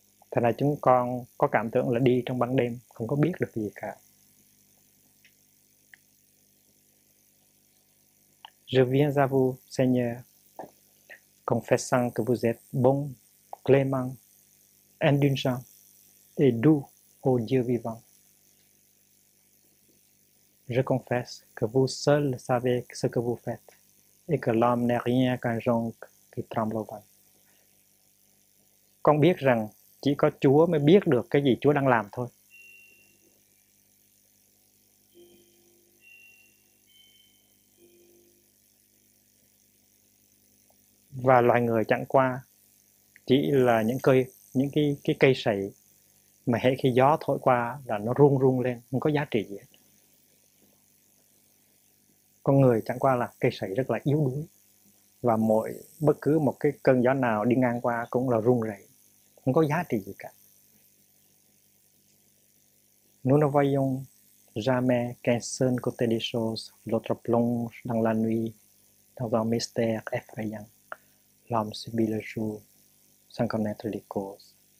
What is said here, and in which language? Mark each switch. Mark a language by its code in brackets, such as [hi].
[vi] Thế là chúng con có cảm tưởng là đi trong ban đêm, không có biết được gì cả. [fr] Je viens à vous, Seigneur, confessant que vous êtes bon, clément, indulgent et doux au Dieu vivant. Je confesse que vous seul savez ce que vous faites et que l'homme n'est rien qu'un jonc qui tremble au vent. [vi] Con biết rằng chỉ có Chúa mới biết được cái gì Chúa đang làm thôi. Và loài người chẳng qua chỉ là những cái cây sậy mà hễ khi gió thổi qua là nó rung rung lên, không có giá trị gì hết. Con người chẳng qua là cây sậy rất là yếu đuối, và bất cứ một cái cơn gió nào đi ngang qua cũng là rung rẩy, không có giá trị gì cả. [fr] Nous ne voyons jamais qu'un seul côté des choses, l'autre plonge dans la nuit, dans un mystère effrayant. L'homme subit le jour sans connaître les causes.